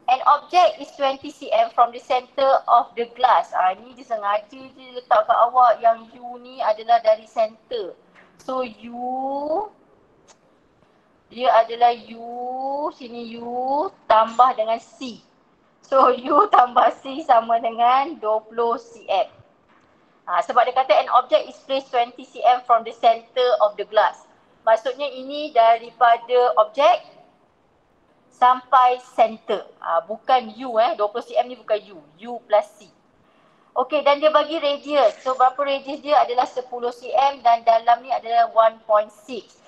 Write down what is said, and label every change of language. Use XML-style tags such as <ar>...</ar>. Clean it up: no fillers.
<en>An object is 20 cm from the center of the glass.</en> <ms>Ha, ni dia sengaja je letak kat awak yang U ni adalah dari center. So, U dia adalah U, sini U tambah dengan C. So, U tambah C sama dengan 20 cm. Ha, sebab dia kata</ms> <en>an object is placed 20 cm from the center of the glass.</en> <ms>Maksudnya ini daripada objek sampai center. Ha, bukan U eh. 20 cm ni bukan U. U plus C. Okey, dan dia bagi radius. So, berapa radius dia adalah 10 cm dan dalam ni adalah 1.6.</ms>